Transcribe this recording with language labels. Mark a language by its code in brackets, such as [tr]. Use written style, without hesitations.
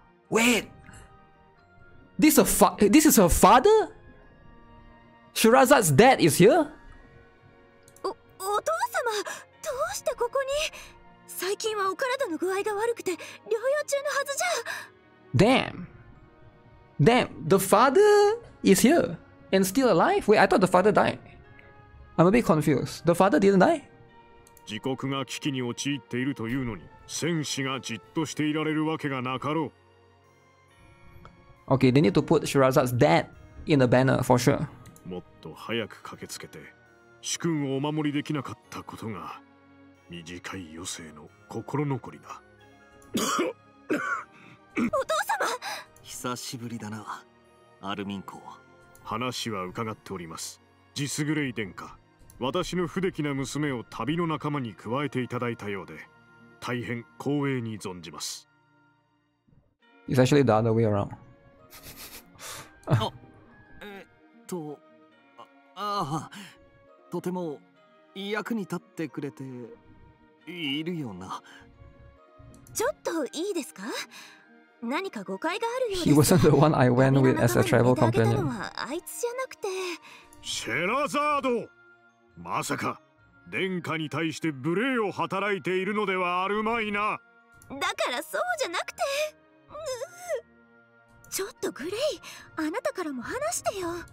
[en] Wait. This is her father? Shirazad's dad is here? [ja] お父様、どうしてここに？最近はお体の具合が悪くて療養中のはずじゃ。 [en] Damn, the father is here and still alive? Wait, I thought the father died. I'm a bit confused. The father didn't die? [ja] 自国が危機に陥っているというのに、戦士がじっとしていられるわけがなかろう。 [en] Okay, they need to put Shirazad's dad in the banner for sure. [ja] もっと早く駆けつけて主君をお守りできなかったことが短い余生の心残りだお父様久しぶりだなアルミン公話は伺っておりますジスグレイ殿下私の不敵な娘を旅の仲間に加えていただいたようで大変光栄に存じます [en] It's actually the other way around [ja] ああ、とても役に立ってくれているよな。ちょっといいですか？何か誤解があるようです。 [en] He wasn't the one I went with as a travel companion. [ja] あいつじゃなくて。シェラザード、まさか殿下に対して無礼を働いているのではあるまいな。だからそうじゃなくて。ちょっとグレイ、あなたからも話してよ。